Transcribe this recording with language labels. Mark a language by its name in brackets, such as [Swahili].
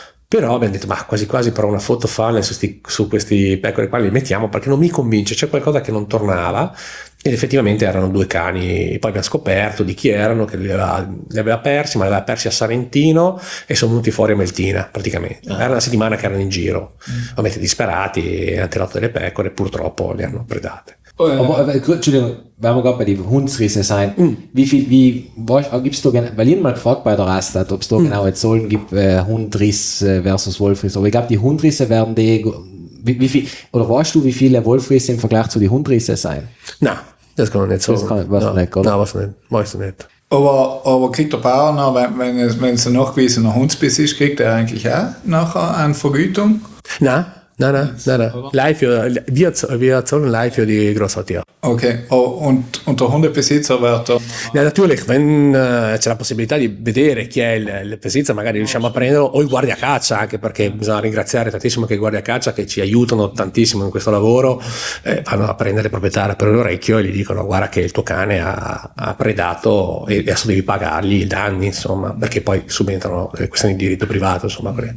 [Italian] Però abbiamo detto, ma quasi quasi però una foto falsa su questi pecore qua li mettiamo perché non mi convince, c'è qualcosa che non tornava. Ed effettivamente erano 2 cani, poi abbiamo scoperto di chi erano, che li aveva persi, ma li aveva persi a Saventino e sono venuti fuori a Meltina praticamente. Ah. Era una settimana che erano in giro, ovviamente disperati, hanno tirato delle pecore e purtroppo le hanno predate. [German] Entschuldigung, weil wir gerade bei den Hundsrissen sein. Weil ich mal gefragt bei der Rastatt, ob es da genau jetzt Zahlen gibt, Hundriss versus Wolfriss. Aber ich glaube, die Hundrisse werden die. Oder weißt du, wie viele Wolfrisse im Vergleich zu den Hundrissen sein? Nein, das kann man nicht sagen. Weißt du nicht. Aber kriegt der Bauer noch, wenn es ein nachgewiesener Hundsbiss ist, kriegt er eigentlich auch nachher eine Vergütung? Nein, wir zahlen live für die Großtiere. Okay, und der Hundebesitzer wird da? Ja, natürlich, wenn [Italian] c'è la possibilità di vedere chi è il Besitzer, magari riusciamo a prenderlo, o i guardia caccia, anche perché bisogna ringraziare tantissimo che i guardia caccia che ci aiutano tantissimo in questo lavoro, vanno a prendere il proprietario per l'orecchio e gli dicono guarda che il tuo cane ha predato e adesso devi pagargli i danni, insomma, perché poi subentrano le questioni di diritto privato, insomma.